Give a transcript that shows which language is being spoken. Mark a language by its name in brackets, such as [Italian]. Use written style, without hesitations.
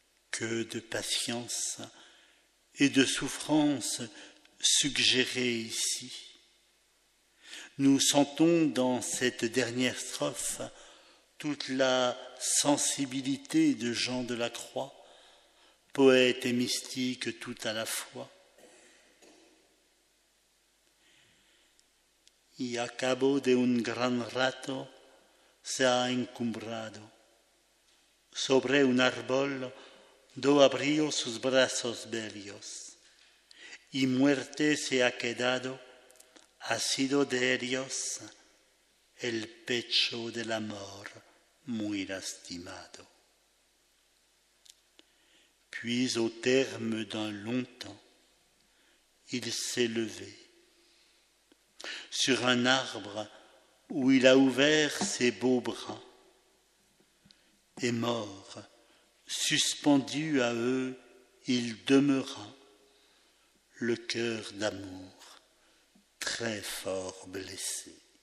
[French] Que de patience et de souffrance suggérées ici. Nous sentons dans cette dernière strophe toute la sensibilité de Jean de la Croix, poète et mystique tout à la fois. [Spanish] Y acabo de un gran rato se ha encumbrado sobre un árbol do abrió sus brazos bellos y muerte se ha quedado ha sido de ellos el pecho del amor muy lastimado. [French] Puis au terme d'un long temps, il s'est levé sur un arbre où il a ouvert ses beaux bras et mort, suspendu à eux, il demeura le cœur d'amour très fort blessé.